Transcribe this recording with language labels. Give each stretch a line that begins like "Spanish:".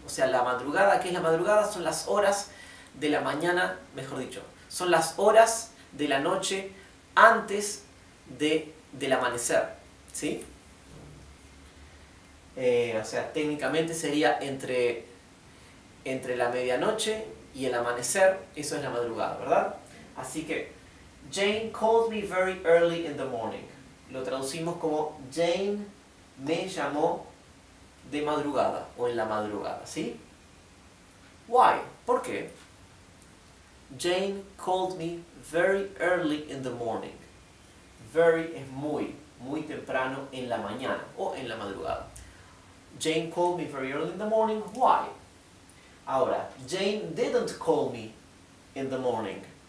Spanish: O sea, la madrugada, ¿qué es la madrugada? Son las horas de la mañana, mejor dicho, son las horas de la noche antes del amanecer. ¿Sí? O sea, técnicamente sería entre la medianoche y el amanecer, eso es la madrugada, ¿verdad? Así que,
English: Jane called me very early in the morning.
Spanish: Lo traducimos como Jane me llamó de madrugada o en la madrugada, ¿sí?
English: Why?
Spanish: ¿Por qué?
English: Jane called me very early in the morning.
Spanish: Very es muy, muy temprano en la mañana o en la madrugada.
English: Jane called me very early in the morning. Why? Ahora, Jane didn't call me in the morning.